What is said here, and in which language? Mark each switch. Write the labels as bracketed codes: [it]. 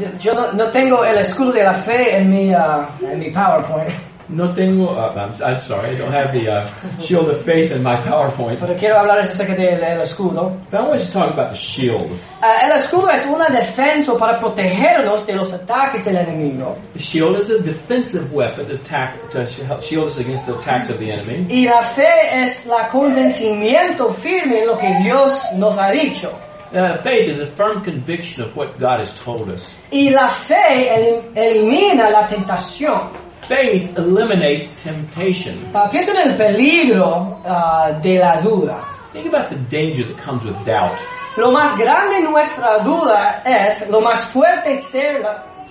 [es] Yo no tengo el escudo de la fe en mi PowerPoint. No tengo, [en] I'm sorry, I don't have the shield of faith in my PowerPoint. [es] Pero quiero hablar acerca del escudo. [en] But I want to talk about the shield. [es] El escudo es una defensa para protegernos de los ataques del enemigo. [en] The shield is a defensive weapon to shield us against the attacks of the enemy. [es] Y la fe es la convencimiento firme en lo que Dios nos ha dicho. [en] Faith is a firm conviction of what God has told us. [es] Y la fe elimina la tentación. [en] Faith eliminates temptation. [es] Piensa en el peligro de la duda. [en] Think about the danger that comes with doubt. [es] Lo más grande en nuestra duda es lo más fuerte ser la.